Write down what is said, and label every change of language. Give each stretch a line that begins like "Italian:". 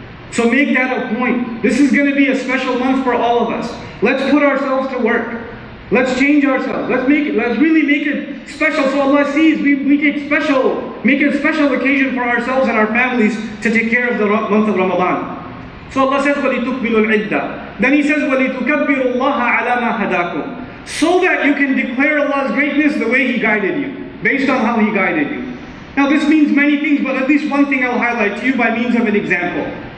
English: So make that a point. This is going to be a special month for all of us. Let's put ourselves to work. Let's change ourselves. Let's really make it special. So Allah sees we take special, make a special occasion for ourselves and our families to take care of the month of Ramadan. So Allah says,
Arabic: وَلِتُكْبِلُوا الْعِدَّةِ.
English: Then He says,
Arabic: وَلِتُكَبِّرُوا اللَّهَ عَلَى مَا هَدَاكُمْ.
English: So that you can declare Allah's greatness the way He guided you, based on how He guided you. Now this means many things, but at least one thing I'll highlight to you by means of an example.